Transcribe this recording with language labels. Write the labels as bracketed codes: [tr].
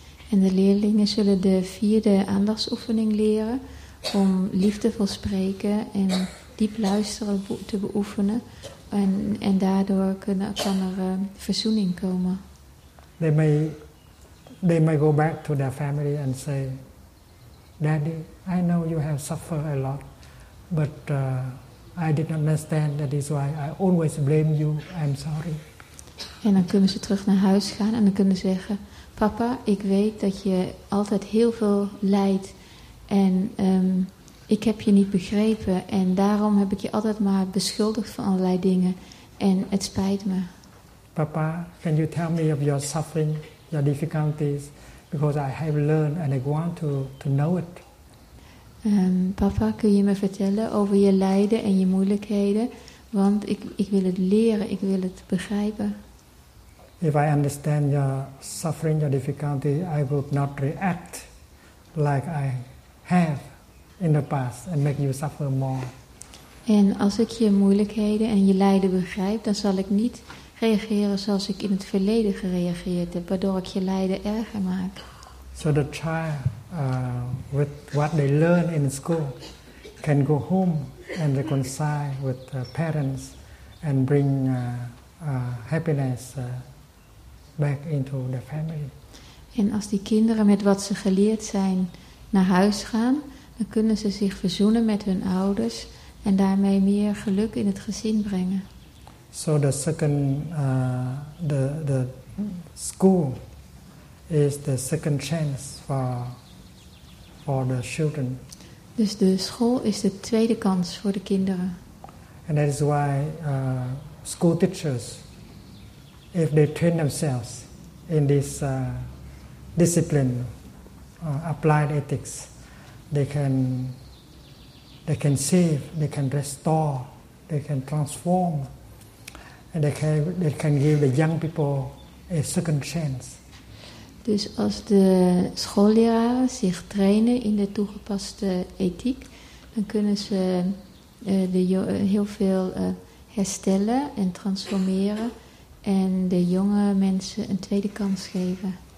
[nl] En de leerlingen zullen de vierde aandachtsoefening leren om liefdevol spreken en diep luisteren te beoefenen. En daardoor kan er verzoening komen. [en] They may go back to their family and say, "Daddy, I know you have suffered a lot, but I did not understand. That is why I always blame you. I'm sorry." [nl] En dan kunnen ze terug naar huis gaan en dan kunnen ze zeggen, "Papa, ik weet dat je altijd heel veel lijdt en ik heb je niet begrepen en daarom heb ik je altijd maar beschuldigd van allerlei dingen en het spijt me." [en] Papa, can you tell me of your suffering? Your difficulties, because I have learned and I want to know it. [nl] Papa, kun je me vertellen over je lijden en je moeilijkheden? Want ik wil het leren, ik wil het begrijpen. [en] If I understand your suffering, your difficulty, I would not react like I have in the past and make you suffer more. [nl] En als ik je moeilijkheden en je lijden begrijp, dan zal ik niet reageren zoals ik in het verleden gereageerd heb, waardoor ik je lijden erger maak. [en] So the child, with what they learn in school, can go home and reconcile with the parents and bring happiness back into the family. [nl] En als die kinderen met wat ze geleerd zijn naar huis gaan, dan kunnen ze zich verzoenen met hun ouders en daarmee meer geluk in het gezin brengen. [en] So the second, the school is the second chance for the children. [nl] Dus de school is de tweede kans voor de kinderen. [en] And that is why school teachers, if they train themselves in this discipline, applied ethics, they can save, they can restore, they can transform. And they can give the young people a second chance. [nl] Dus als de schoolleraren zich trainen in de toegepaste ethiek, dan kunnen ze heel veel herstellen en transformeren en de jonge mensen een tweede kans geven.